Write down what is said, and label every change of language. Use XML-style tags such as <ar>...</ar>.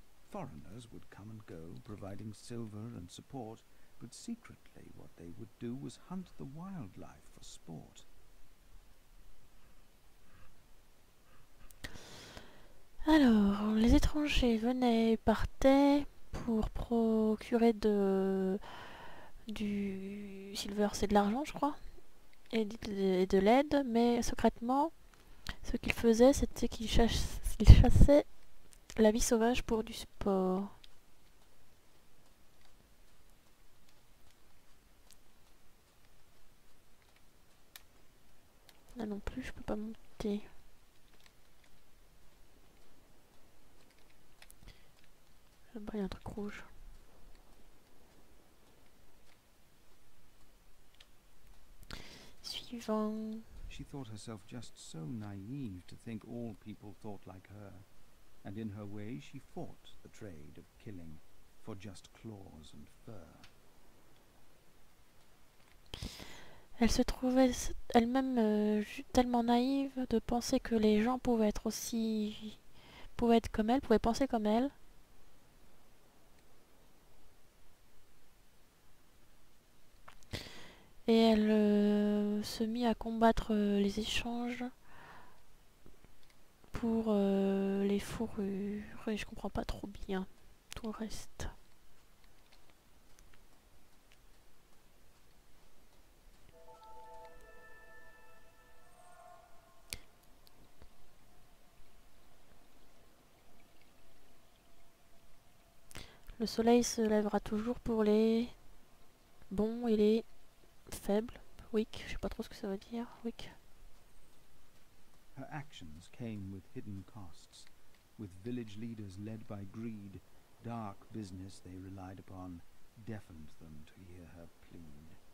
<en>Foreigners would come and go, providing silver and support, but secretly what they would do was hunt the wildlife for sport.</en> <fr>Alors, les étrangers venaient et partaient pour procurer du silver, c'est de l'argent, je crois, et de l'aide, mais secrètement, ce qu'ils faisaient, c'était qu'ils chassaient la vie sauvage pour du sport. Là non plus, je peux pas monter. Là-bas, il y a un truc rouge. Suivant.</fr> <en>She thought herself just so naive to think all people thought like her. And in her way, she fought the trade of killing for just claws and fur.</en> <fr>Elle se trouvait elle-même tellement naïve de penser que les gens pouvaient être aussi, pouvaient être comme elle, pouvaient penser comme elle. Et elle se mit à combattre les échanges pour les fourrures, et je comprends pas trop bien tout le reste. Le soleil se lèvera toujours pour les bons et les faibles. Weak, je sais pas trop ce que ça veut dire, weak.</fr> <en>Her actions came with hidden costs, with village leaders led by greed, dark business they relied upon, deafened them to hear her plead.</en>